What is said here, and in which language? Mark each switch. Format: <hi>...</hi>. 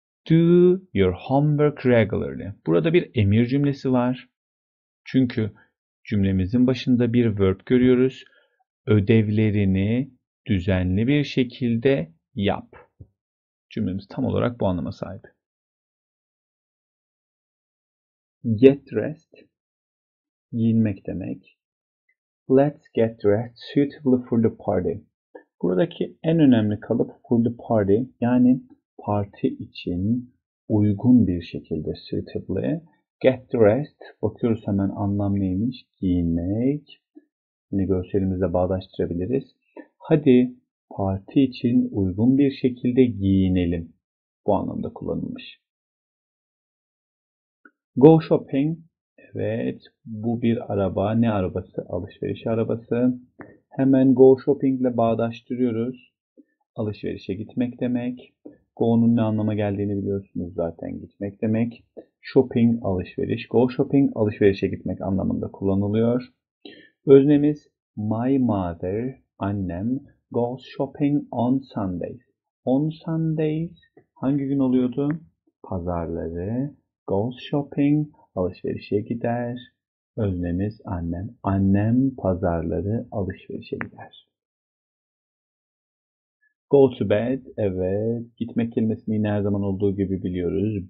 <en>Do your homework regularly.</en> <tr>Burada bir emir cümlesi var. Çünkü cümlemizin başında bir verb görüyoruz. Ödevlerini düzenli bir şekilde yap. Cümlemiz tam olarak bu anlama sahip.</tr> <en>Get dressed.</en> <tr>Giyinmek demek.</tr> <en>Let's get dressed suitably for the party.</en> <tr>Buradaki en önemli kalıp for the party, yani parti için uygun bir şekilde suitably.</tr> <en>Get dressed,</en> <tr>bakıyoruz hemen anlam neymiş, giyinmek. Yine görselimizle bağdaştırabiliriz. Hadi parti için uygun bir şekilde giyinelim. Bu anlamda kullanılmış.</tr> <en>Go shopping,</en> <tr>evet bu bir araba, ne arabası? Alışveriş arabası. Hemen</tr> <en>go shopping</en> <tr>ile bağdaştırıyoruz. Alışverişe gitmek demek. Go'nun ne anlama geldiğini biliyorsunuz zaten, gitmek demek. Shopping, alışveriş.</tr> <en>Go shopping,</en> <tr>alışverişe gitmek anlamında kullanılıyor. Öznemiz</tr> <en>my mother,</en> <tr>annem,</tr> <en>goes shopping on Sundays.</en> <tr>On Sundays hangi gün oluyordu? Pazarları.</tr> <en>Goes shopping,</en> <tr>alışverişe gider. Öznemiz annem. Annem pazarları alışverişe gider.</tr> <en>Go to bed.</en> <tr>Evet. Gitmek kelimesini yine her zaman olduğu gibi biliyoruz.</tr>